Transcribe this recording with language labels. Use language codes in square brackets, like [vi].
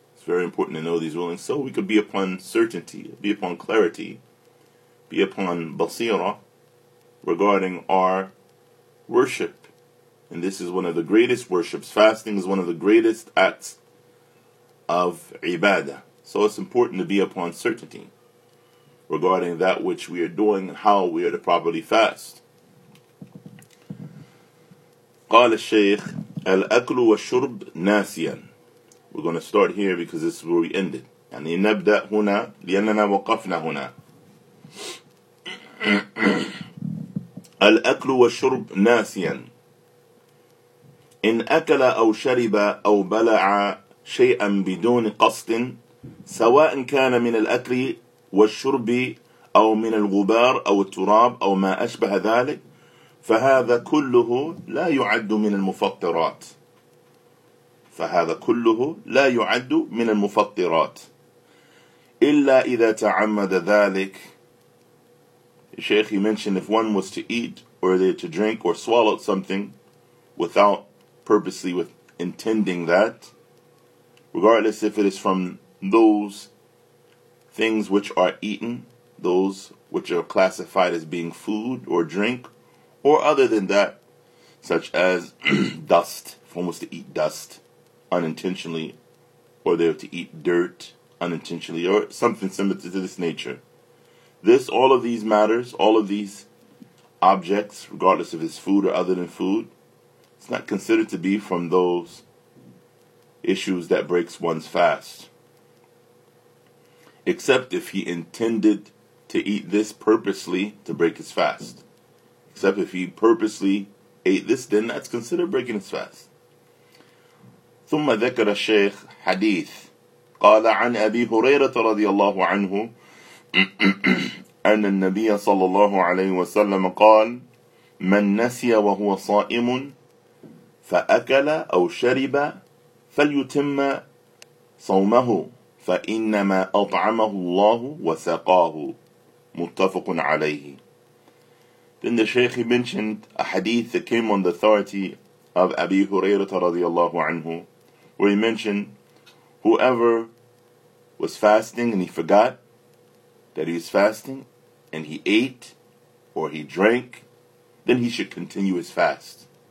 [en] It's very important to know these rulings so we could be upon certainty, be upon clarity, be upon basira regarding our worship. And this is one of the greatest worships. Fasting is one of the greatest acts of ibadah. So it's important to be upon certainty regarding that which we are doing and how we are to properly fast. [ar] قال الشيخ الأكل والشرب ناسيا. [en] We're going to start here because this is where we ended. [ar] يعني نبدأ هنا لأننا وقفنا هنا. الأكل والشرب ناسيا. إن أكل أو شرب أو بلع شيئا بدون قصد، سواء كان من الأكل والشرب أو من الغبار أو التراب أو ما أشبه ذلك، فهذا كله لا يعد من المفطرات. فهذا كله لا يعد من المفطرات إلا إذا تعمد ذلك [en] The Sheikh, he mentioned if one was to eat or they to drink or swallow something without purposely with intending that, regardless if it is from those things which are eaten, those which are classified as being food or drink, or other than that, such as dust, if one was to eat dust unintentionally, or they were to eat dirt unintentionally, or something similar to this nature. This, all of these matters, all of these objects, regardless if it's food or other than food, it's not considered to be from those issues that breaks one's fast. Except if he intended to eat this purposely to break his fast. Except if he purposely ate this, then that's considered breaking his fast. [ar] ثم ذكر الشيخ حديث قال عن أبي هريرة رضي الله عنه أن النبي صلى الله عليه وسلم قال من نسي وهو صائم فأكل أو شرب فليتم صومه فإنما أطعمه الله وسقاه متفق عليه. [en] Then the Shaykh mentioned a hadith that came on the authority of Abi Hurairah radiallahu anhu, where he mentioned whoever was fasting and he forgot that he was fasting and he ate or he drank, then he should continue his fast.